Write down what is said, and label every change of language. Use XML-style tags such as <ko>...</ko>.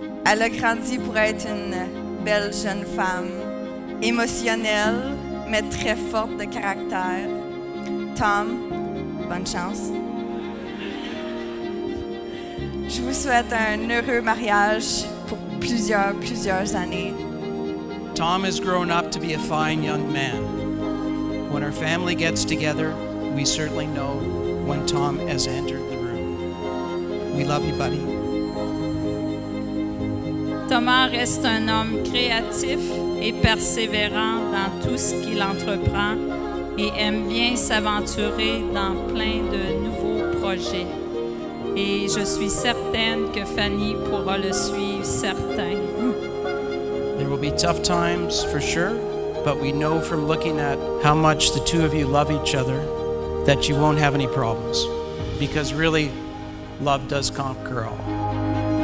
<fr>Elle a grandi pour être une belle jeune femme, émotionnelle, mais très forte de caractère. Tom, bonne chance. Je vous souhaite un heureux mariage pour plusieurs années.</fr> <en>Tom has grown up to be a fine young man. When our family gets together, we certainly know when Tom has entered the room. We love you, buddy.</en> <fr>Thomas reste un homme créatif et persévérant dans tout ce qu'il entreprend et aime bien s'aventurer dans plein de nouveaux projets. Et je suis certaine que Fanny pourra le suivre, certain.</fr> <en>There will be tough times, for sure, but we know from looking at how much the two of you love each other that you won't have any problems. Because really, love does conquer all.</en>